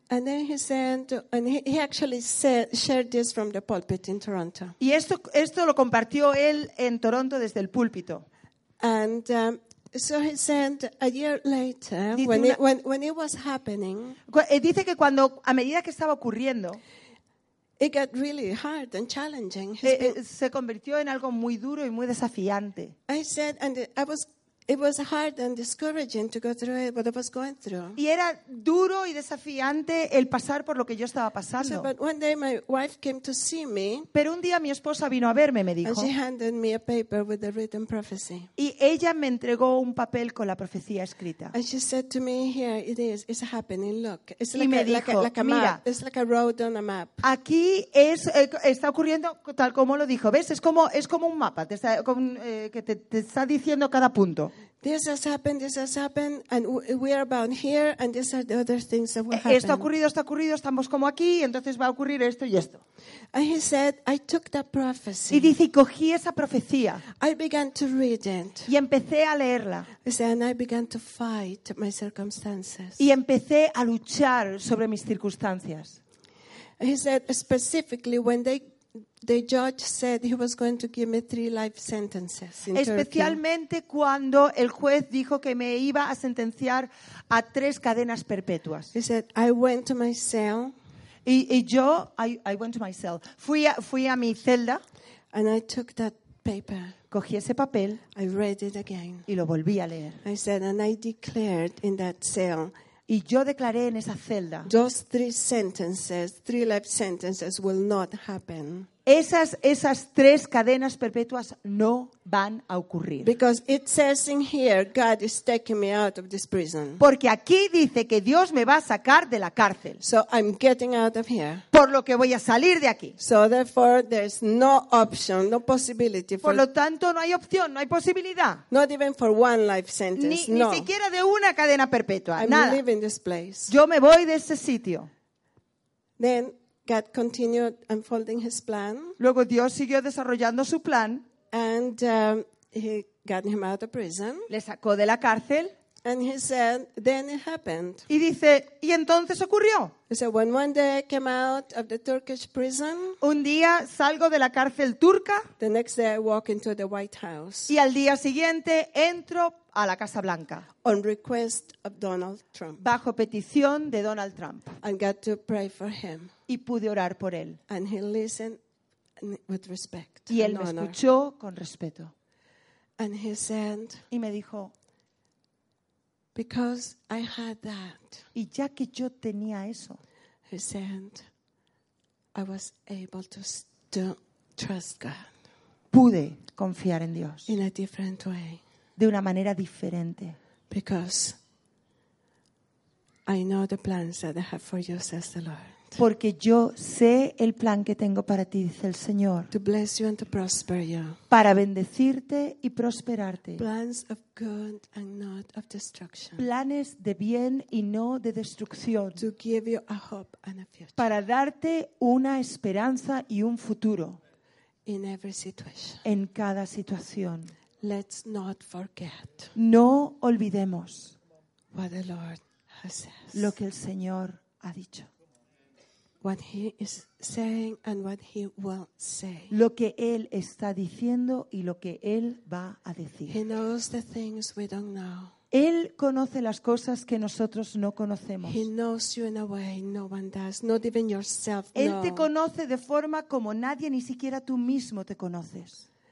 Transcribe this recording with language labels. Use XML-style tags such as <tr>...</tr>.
<en>And then he sent, and he actually said, shared this from the pulpit in Toronto.</en> <es>Y esto lo compartió él en Toronto desde el púlpito.</es> <en>And so he sent a year later, when it was happening.</en> <es>Dice que cuando a medida que estaba ocurriendo.</es> <en>It got really hard and challenging.</en> <es>Se convirtió en algo muy duro y muy desafiante.</es> <en>I said, and it was hard and discouraging to go through it, what I was going through.</en> <es>Y era duro y desafiante el pasar por lo que yo estaba pasando.</es> <en>But one day my wife came to see me.</en> <es>Pero un día mi esposa vino a verme, me dijo.</es> <en>And she handed me a paper with the written prophecy.</en> <es>Y ella me entregó un papel con la profecía escrita.</es> <en>And she said to me, "Here it is. It's happening. Look." It's like,</en> <es>y me dijo,</es> <en>like a map.</en> <es>Mira,</es> <en>it's like a road on a map.</en> <es>Aquí es está ocurriendo tal como lo dijo. Ves, es como un mapa. Te está que te está diciendo cada punto.</es> <en>This has happened, and we are about here, and these are the other things that will happen.</en> <es>Esto ha ocurrido, estamos como aquí, y entonces va a ocurrir esto y esto.</es> <en>And he said, "I took that prophecy."</en> <es>Y dice, cogí esa profecía.</es> <en>I began to read it.</en> <es>Y empecé a leerla.</es> <en>He said, "And I began to fight my circumstances."</en> <es>Y empecé a luchar sobre mis circunstancias.</es> <en>He said, specifically, when they The judge said he was going to give me 3 life sentences.</en> <es>Especialmente</es> <en>Turkey.</en> <es>Cuando el juez dijo que me iba a sentenciar a 3 cadenas perpetuas.</es> <en>He said I went to my cell. I went to my cell.</en> <es>Fui a mi celda.</es> <en>And I took that paper.</en> <es>Cogí ese papel.</es> <en>I read it again.</en> <es>Y lo volví a leer.</es> <en>I said and I declared in that cell.</en> <es>Y yo declaré en esa celda.</es> <en>Those 3 sentences, 3 life sentences will not happen.</en> <es>Esas 3 cadenas perpetuas no van a ocurrir.</es> <en>Because it says in here God is taking me out of this prison.</en> <es>Porque aquí dice que Dios me va a sacar de la cárcel.</es> <en>So I'm getting out of here.</en> <es>Por lo que voy a salir de aquí.</es> <en>So therefore there's no option, no possibility for.</en> <es>Por lo tanto no hay opción, no hay posibilidad.</es> <en>Not even for one life sentence.</en> <es>Ni siquiera de una cadena perpetua.</es> <en>I'm</en> <es>nada.</es> <en>Leaving this place.</en> <es>Yo me voy de ese sitio.</es> <en>Then God continued unfolding his plan.</en> <es>Luego Dios siguió desarrollando su plan.</es> <en>And he got him out of prison.</en> <es>Le sacó de la cárcel.</es> <en>And he said, then it happened.</en> <es>Y dice, y entonces ocurrió.</es> <en>He said, when one day I came out of the Turkish prison.</en> <es>Un día salgo de la cárcel turca.</es> <en>The next day I walk into the White House.</en> <es>Y al día siguiente entro a la Casa Blanca.</es> <en>On request of Donald Trump.</en> <es>Bajo petición de Donald Trump.</es> <en>And got to pray for him.</en> <es>Y pude orar por él.</es> <en>And he listened with respect.</en> <es>Y él me escuchó con respeto.</es> <en>And he said,</en> <es>y me dijo,</es> <en>because I had that.</en> <es>Y ya que yo tenía eso.</es> <en>He said, I was able to still trust God.</en> <es>Pude confiar en Dios.</es> <en>In a different way.</en> <es>De una manera diferente.</es> <en>Because I know the plans that I have for you, says the Lord.</en> <es>Porque yo sé el plan que tengo para ti, dice el Señor.</es> <en>To bless you and to prosper you.</en> <es>Para bendecirte y prosperarte.</es> <en>Plans of good and not of destruction.</en> <es>Planes de bien y no de destrucción.</es> <en>To give you a hope and a future.</en> <es>Para darte una esperanza y un futuro.</es> <en>In every situation.</en> <es>En cada situación.</es> <en>Let's not forget.</en> <es>No olvidemos</es> <en>what the Lord has said.</en> <es>Lo que el Señor ha dicho.</es> <en>What he is saying and what he will say.</en> <es>Lo que él está diciendo y lo que él va a decir.</es> <en>He knows the things we don't know.</en> <es>Él conoce las cosas que nosotros no conocemos.</es> <en>He knows you in a way no one does, not even yourself.</en> <es>Él te conoce de forma como nadie, ni siquiera tú mismo te conoces.</es>